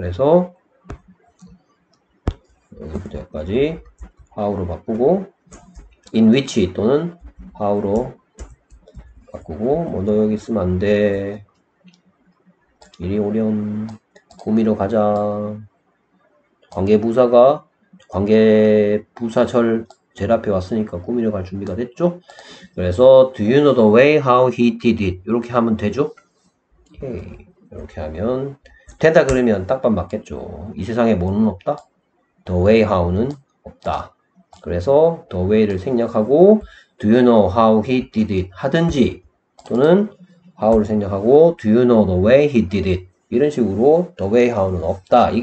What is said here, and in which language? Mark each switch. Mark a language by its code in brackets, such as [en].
[ko] 그래서 여기까지 how로 바꾸고 in which 또는 how로 바꾸고 뭐너 여기 있으면 안 돼. 이리 오렴. 구미로 가자. 관계부사절 제일 앞에 왔으니까 구미로 갈 준비가 됐죠? 그래서 [en] do you know the way how he did it? [ko] 이렇게 하면 되죠? 오케이. 이렇게 하면 된다 그러면 딱밤 맞겠죠. 이 세상에 뭐는 없다? [en] the way how [ko] 는 없다. 그래서 the way를 생략하고 [en] do you know how he did it [ko] 하든지 또는 how를 생략하고 [en] do you know the way he did it [ko] 이런 식으로 the way how는 없다.